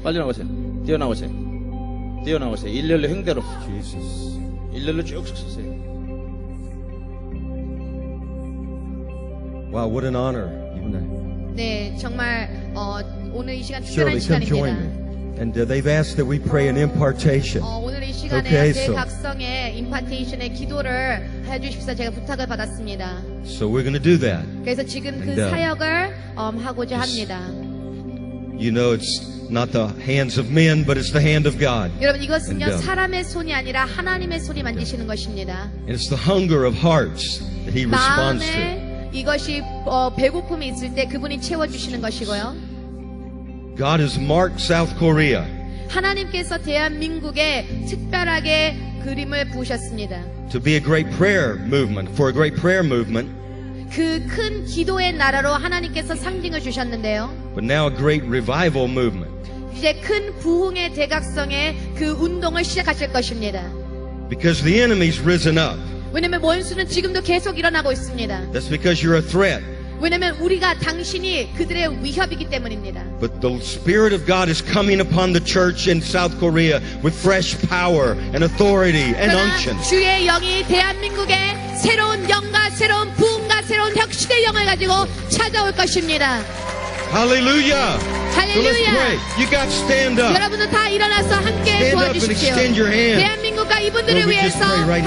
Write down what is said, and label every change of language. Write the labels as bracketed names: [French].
[Korean] 빨리 나오세요. 뛰어 나오세요. 뛰어 나오세요. 일렬로 횡대로. 일렬로 쭉 서세요. [English] Wow, what an honor. [Korean] 네, 정말 오늘 이 시간 특별한 시간입니다. [English] And they've asked that we pray an impartation. [Korean] 오늘 이 시간에 okay, 제 각성의 impartation의 기도를 해 주십사 제가 부탁을 받았습니다. [English] So we're going to do that. [Korean] 그래서 지금 그 사역을 하고자 합니다. [English] You know it's not the hands of men but it's the hand of God. [Korean] 여러분 이것은요 사람의 손이 아니라 하나님의 손이 만드시는 것입니다. [English] And it's the hunger of hearts that he responds to. [Korean] 이것이 배고픔이 있을 때 그분이 채워 주시는 것이고요. [English] God has marked South Korea. [Korean] 하나님께서 대한민국에 특별하게 그림을 부으셨습니다. [English] To be a great prayer movement, for a great prayer movement. [Korean] 그 큰 기도의 나라로 하나님께서 상징을 주셨는데요. [English] But now a great revival movement. [Korean] 이제 큰 부흥의 대각성에 그 운동을 시작하실 것입니다. [English] Because the enemy's risen up. [Korean] 왜냐면 원수는 지금도 계속 일어나고 있습니다. [English] That's because you're a threat. [Korean] 왜냐면 우리가 당신이 그들의 위협이기 때문입니다. [English] But the Spirit of God is coming upon the church in South Korea with fresh power and authority and unction. [Korean] 주의 영이 대한민국에 새로운 영과 새로운 부흥과 새로운 혁신의 영을 가지고 찾아올 것입니다. [English] Hallelujah. [Korean] Hallelujah. [English] So let's pray. You got to stand up. [Korean] 여러분도 다 일어나서 함께 도와주십시오. [English] Up and extend your hand. [Korean] 대한민국과 이분들을 Lord, 위해서 [English] right